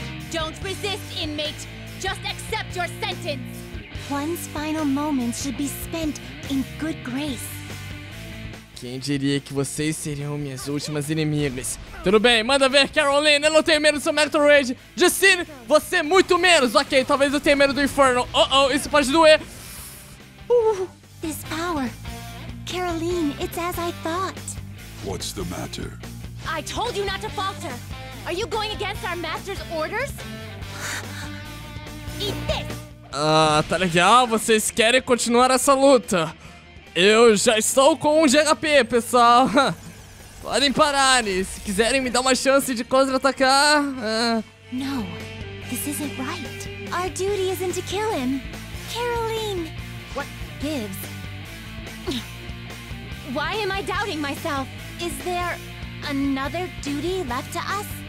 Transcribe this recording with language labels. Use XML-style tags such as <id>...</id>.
<en>Don't resist, inmate! Just accept your sentence! One's final moment should be spent in good grace.</en> <pt>Quem diria que vocês seriam minhas últimas inimigas? Tudo bem, manda ver, Caroline, eu não tenho medo do seu Metal Rage. Justine, você muito menos. Ok, talvez eu tenha medo do Inferno. Oh, isso pode doer.</pt> <en>This power. Caroline, it's as I thought. What's the matter? I told you not to falter. Are you going against our master's orders? Eat this!</en> <pt>Ah, tá legal, vocês querem continuar essa luta. Eu já estou com 1 de HP, pessoal. Podem parar, e se quiserem me dar uma chance de contra-atacar.</pt> <en>No, this isn't right. Our duty isn't to kill him. Caroline! What gives? Why am I doubting myself? Is there another duty left to us?</en>